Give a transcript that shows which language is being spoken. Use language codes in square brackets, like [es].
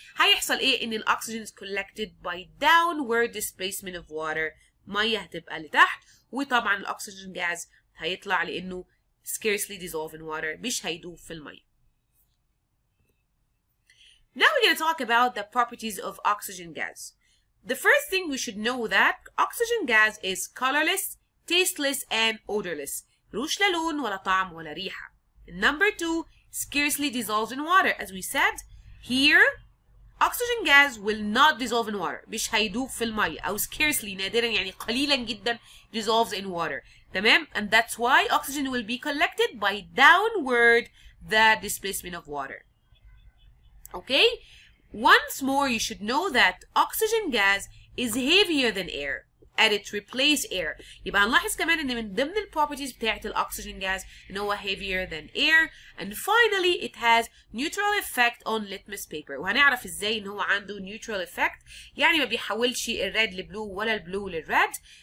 [ar] هيحصل إيه؟ إن الأكسجين [en] is collected by downward displacement of water. [ar] مية هتبقى لتحت. وطبعا الأكسجين غاز هيطلع لأنه [en] scarcely dissolve in water. [ar] مش هيدوب في المية. [en] Now we're going to talk about the properties of oxygen gas. The first thing we should know that oxygen gas is colorless, tasteless, and odorless. [ar] روش لا لون ولا طعم ولا ريحة. [en] Number two, scarcely dissolves in water. As we said, here, oxygen gas will not dissolve in water. [ar] مش هيدوب في المية. أو scarcely, نادرا يعني قليلا جدا, [en] dissolves in water. [ar] تمام? [en] And that's why oxygen will be collected by downward the displacement of water. Okay, once more you should know that oxygen gas is heavier than air and it replaces air. [ar] يبقى هنلاحظ كمان ان من ضمن ال properties بتاعت ال [en] oxygen gas [ar] ان هو [en] heavier than air and finally it has neutral effect on litmus paper. [ar] وهنعرف ازاي ان هو عنده [en] neutral effect [ar] يعني ما بيحولش ال red لblue ولا ال blue للred.